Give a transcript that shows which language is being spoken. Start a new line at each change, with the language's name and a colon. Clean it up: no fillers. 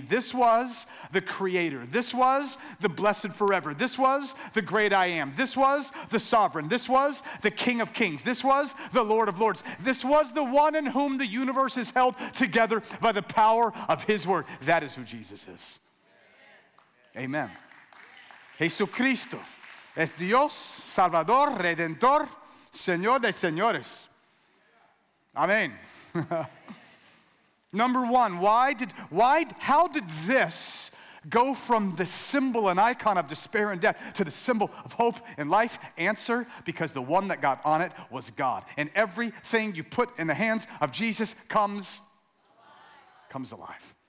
English: This was the Creator. This was the Blessed Forever. This was the Great I Am. This was the Sovereign. This was the King of Kings. This was the Lord of Lords. This was the one in whom the universe is held together by the power of his word. That is who Jesus is. Amen.
Spanish: Jesucristo es Dios, Salvador, Redentor, Señor de señores.
English: Amen. Number one, how did this go from the symbol and icon of despair and death to the symbol of hope and life? Answer, because the one that got on it was God. And everything you put in the hands of Jesus comes alive.